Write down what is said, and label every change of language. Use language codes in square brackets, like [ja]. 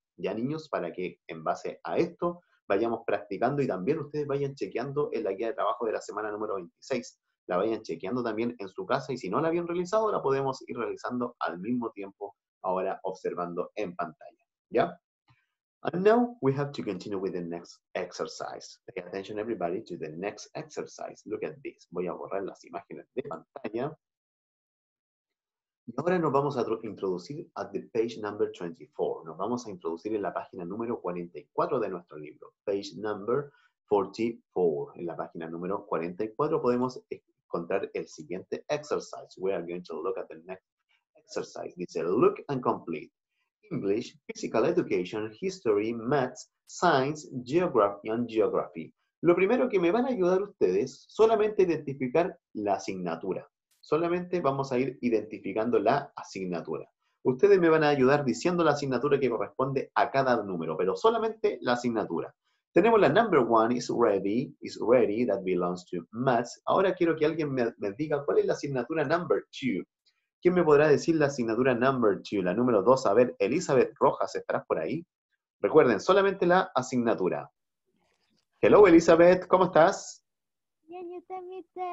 [es] Ya, niños, para que en base a esto vayamos practicando y también ustedes vayan chequeando en la guía de trabajo de la semana número 26. La vayan chequeando también en su casa y si no la habían realizado, la podemos ir realizando al mismo tiempo ahora observando en pantalla. ¿Ya? [en] And now we have to continue with the next exercise. Pay attention, everybody, to the next exercise. Look at this. [es] Voy a borrar las imágenes de pantalla. Y ahora nos vamos a introducir [en] at the page number 24. [es] Nos vamos a introducir en la página número 44 de nuestro libro. [en] Page number 44. [es] En la página número 44 podemos encontrar el siguiente exercise. [en] We are going to look at the next exercise. [es] Dice, [en] look and complete. English, physical education, history, maths, science, geography and geography. [es] Lo primero que me van a ayudar ustedes, solamente identificar la asignatura. Solamente vamos a ir identificando la asignatura. Ustedes me van a ayudar diciendo la asignatura que corresponde a cada número, pero solamente la asignatura. Tenemos la [en] number one, is ready, that belongs to maths. [es] Ahora quiero que alguien me diga cuál es la asignatura [en] number two. [es] ¿Quién me podrá decir la asignatura [en] number two, [es] la número dos? A ver, Elizabeth Rojas, ¿estarás por ahí? Recuerden, solamente la asignatura. [en] Hello, [es] Elizabeth, ¿cómo estás? Bien, yo también.